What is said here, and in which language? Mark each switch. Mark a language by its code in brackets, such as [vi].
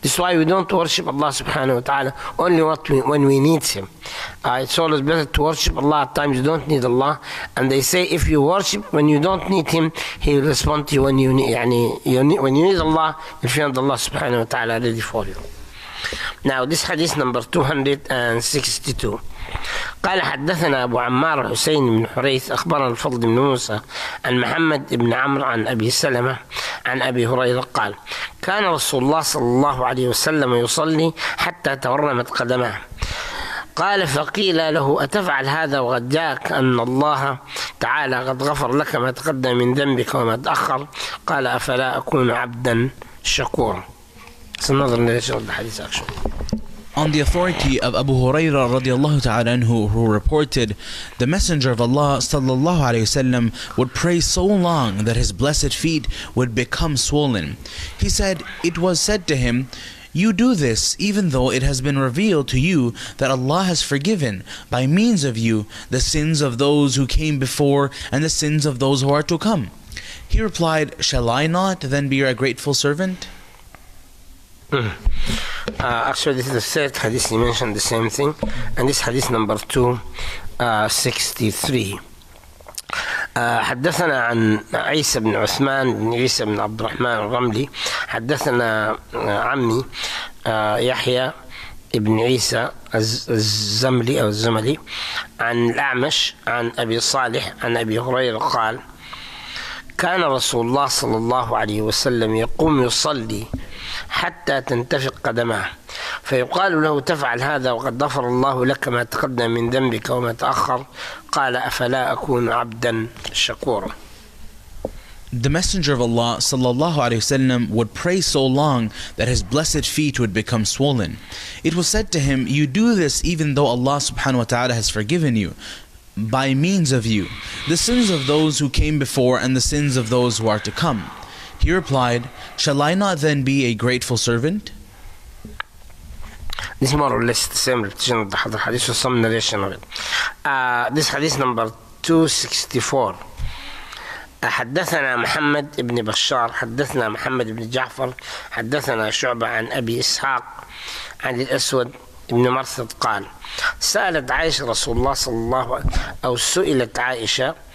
[en] This is why we don't worship Allah subhanahu wa ta'ala only when we need him. It's always better to worship Allah at times you don't need Allah. And they say if you worship when you don't need him, he will respond to you when you need, when you need Allah, you find Allah subhanahu wa ta'ala ready for you. Now this hadith number 262. [ar] قال حدثنا أبو عمار حسين بن حريث أخبرنا الفضل بن موسى عن محمد بن عمرو عن أبي سلمة عن أبي هريرة قال كان رسول الله صلى الله عليه وسلم يصلي حتى تورمت قدماه، قال فقيل له: أتفعل هذا وقد جاءك أن الله تعالى قد غفر لك ما تقدم من ذنبك وما تأخر؟ قال: أفلا أكون عبدا شكورا. سنظر نرسل الحديث أكشف. [en] On the authority of Abu Huraira radiallahu ta'ala anhu, who reported, the Messenger of Allah sallallahu alayhi wasallam would pray so long that his blessed feet would become swollen. He said, "It was said to him, 'You do this even though it has been revealed to you that Allah has forgiven by means of you the sins of those who came before and the sins of those who are to come.'" He replied, "Shall I not then be a grateful servant?" Actually, this is the third hadith he mentioned the same thing, and this hadith number 263. [ar] حدثنا عن عيسى بن عثمان بن عيسى بن عبد الرحمن الرملي حدثنا عمي يحيى ابن عيسى الزملي أو الزملي عن الأعمش عن أبي صالح عن أبي هريرة قال كان رسول الله صلى الله عليه وسلم يقوم يصلي حتى تنتفق قدمه فيقال له تفعل هذا وقد غفر الله لك ما تقدم من ذنبك وما تأخر قال أفلا أكون عبدا شكورا. [en] The Messenger of Allah sallallahu alaihi wasallam would pray so long that his blessed feet would become swollen. It was said to him, you do this even though Allah subhanahu wa ta'ala has forgiven you by means of you, the sins of those who came before and the sins of those who are to come. He replied, shall I not then be a grateful servant? This is more or less the same repetition of the hadith or some narration of it. This hadith number 264. حدثنا محمد بن بشار حدثنا محمد بن جعفر حدثنا شعبة عن أبي إسحاق عن الأسود بن مرثد قال سألت عائشة رسول الله صلى الله عليه وسلم أو سئلت عائشة